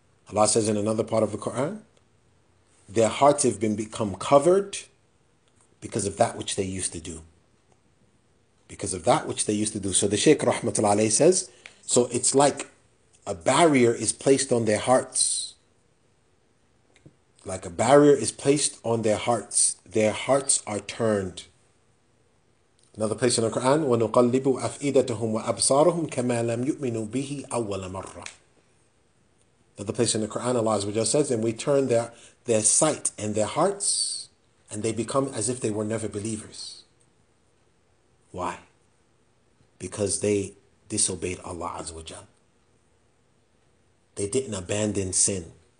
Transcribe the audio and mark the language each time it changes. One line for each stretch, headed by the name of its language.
English: Allah says in another part of the Quran, their hearts have become covered because of that which they used to do. Because of that which they used to do. So the Shaykh rahmatullah alayhi says, so it's like a barrier is placed on their hearts. Like a barrier is placed on their hearts are turned. Another place in the Quran,
Arabic: وَنُقَلِّبُ أَفْئِدَتَهُمْ وَأَبْصَارُهُمْ كَمَا لَمْ يُؤْمِنُوا بِهِ أَوَّلَ مَرَّةٍ.
English: Another place in the Quran, Allah Azza wa Jalla says, and we turn their sight and their hearts, and they become as if they were never believers. Why? Because they disobeyed Allah Azza wa Jalla. They didn't abandon sin.